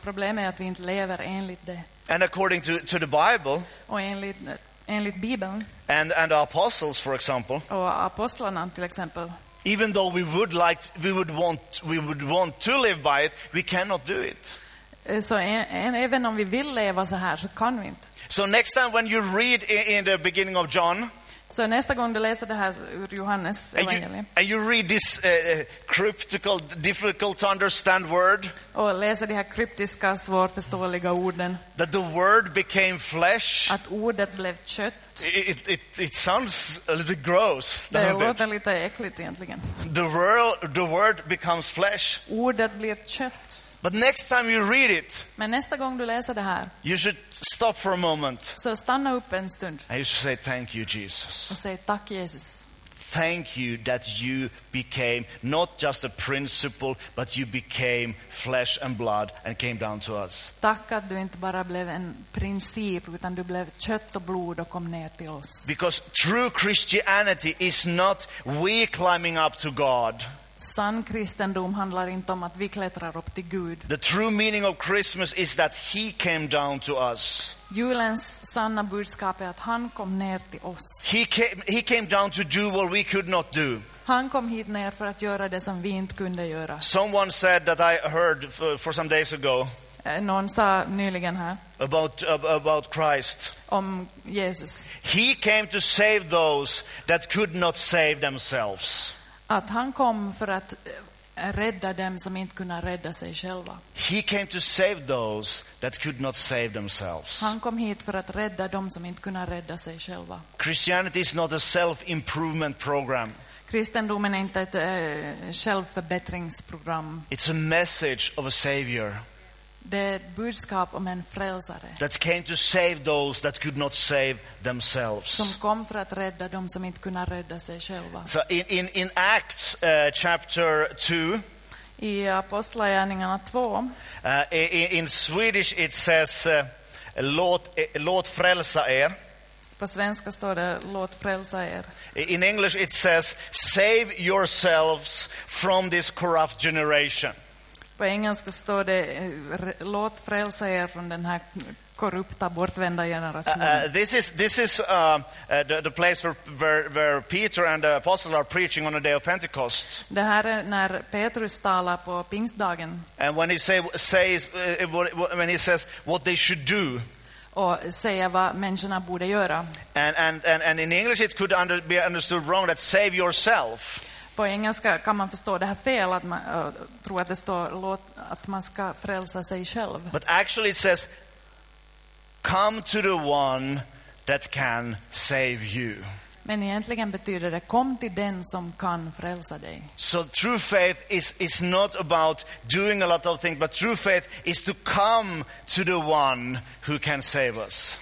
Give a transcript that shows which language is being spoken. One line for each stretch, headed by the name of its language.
Swedish: Problemet är att vi inte lever enligt det.
English: And according to the Bible.
Swedish: Och enligt Bibeln.
English: And the apostles, for example.
Swedish: Och apostlarna till exempel.
English: Even though we would want to live by it, we cannot do it.
Swedish: Så även om vi vill leva så här så kan vi inte.
English: So next time when you read in the beginning of John.
Swedish: Så nästa gång du läser det här ur Johannes evangeliet.
English: And you read this cryptical, difficult to understand word.
Swedish: Och läser de här kryptiska, svårförståeliga orden.
English: That the word became flesh.
Swedish: Att ordet blev kött.
English: It sounds a little bit gross.
Swedish: Det låter lite äckligt egentligen.
English: The word becomes flesh.
Swedish: Ordet blir kött.
English: But next time you read it,
Swedish: men nästa gång du läser det här,
English: you should stop for a moment.
Swedish: Så stanna upp en stund.
English: And you should say thank you, Jesus.
Swedish: Och säg tack Jesus.
English: Thank you that you became not just a principle, but you became flesh and blood and came down to us.
Swedish: Tack att du inte bara blev en princip, utan du blev kött och blod och kom ner till oss.
English: Because true Christianity is not we climbing up to God.
Swedish: Sann kristendom handlar inte om att vi klättrar upp till Gud.
English: The true meaning of Christmas is that he came down to us.
Swedish: Julens sanna budskap är att han kom ner till oss.
English: He came down to do what we could not do.
Swedish: Han kom hit ner för att göra det som vi inte kunde göra.
English: Someone said that I heard for some days ago.
Swedish: Någon sa nyligen här.
English: About Christ.
Swedish: Om Jesus.
English: He came to save those that could not save themselves.
Swedish: Att han kom för att rädda dem som inte kunde rädda sig själva.
English: He came to save those that could not save themselves.
Swedish: Han kom hit för att rädda dem som inte kunde rädda sig själva.
English: Christianity is not a self-improvement program.
Swedish: Kristendomen är inte ett självförbättringsprogram.
English: It's a message of a savior.
Swedish: Det är ett budskap om en frälsare.
English: That came to save those that could not save themselves.
Swedish: Som kom för att rädda dem som inte kunde rädda sig själva.
English: So in Acts chapter 2.
Swedish: I Apostlagärningarna 2.
English: In Swedish it says
Swedish: låt frälsa er. På svenska står det låt frälsa er.
English: In English it says save yourselves from this corrupt generation.
Swedish: På engelska står det låt frälsa er från den här korrupta bortvända generationen.
English: This is the place where Peter and the apostles are preaching on the day of Pentecost.
Swedish: Det här är när Petrus talar på pingstdagen.
English: And when he says what they should do.
Swedish: Och säga vad människorna borde göra.
English: And in English it could be understood wrong that save yourself.
Swedish: På engelska kan man förstå det här fel att man tror att det står låt att man ska frälsa sig själv.
English: But actually it says come to the one that can save you.
Swedish: Men egentligen betyder det kom till den som kan frälsa dig.
English: So true faith is not about doing a lot of things, but true faith is to come to the one who can save us.